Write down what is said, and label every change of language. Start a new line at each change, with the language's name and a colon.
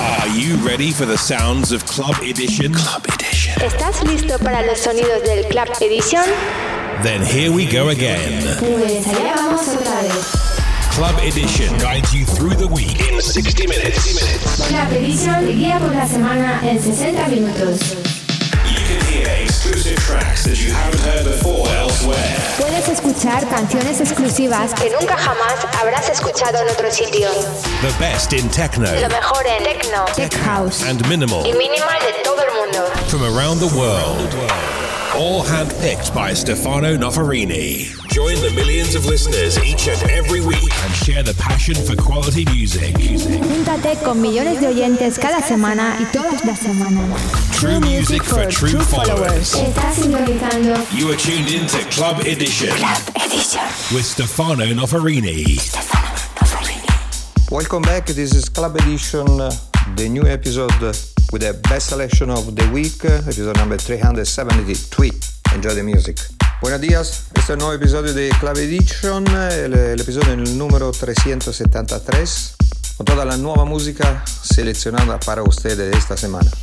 English: you ready for the sounds of Club Edition? Club Edition.
Spanish: ¿Estás listo para los sonidos del Club Edition?
English: Then here we go again.
Spanish: Pues allá vamos otra vez.
English: Club Edition guides you through the week in 60 minutes.
Spanish: Club Edition guía por la semana en 60 minutos.
English: You can hear exclusive tracks that you haven't heard before elsewhere.
Spanish: Puedes escuchar canciones exclusivas que nunca jamás habrás escuchado en otro sitio.
English: The best in techno.
Spanish: Lo mejor en techno.
English: Tech house. And minimal.
Spanish: Y minimal de todo el mundo.
English: From around the world. All handpicked by Stefano Noferini. Join the millions of listeners each and every week and share the passion for quality music.
Spanish: Júntate con millones de oyentes cada semana y todas las semanas.
English: True music for true followers.
Spanish: Estás sintonizando.
English: You are tuned in to Club Edition. Club Edition. With Stefano Noferini. Welcome back. This is Club Edition, the new episode with the best selection of the week, episode number 373. Enjoy the music.
Spanish: Buenos días, este es el nuevo episodio de Club Edition, el episodio en el número 373, con toda la nueva música seleccionada para ustedes esta semana.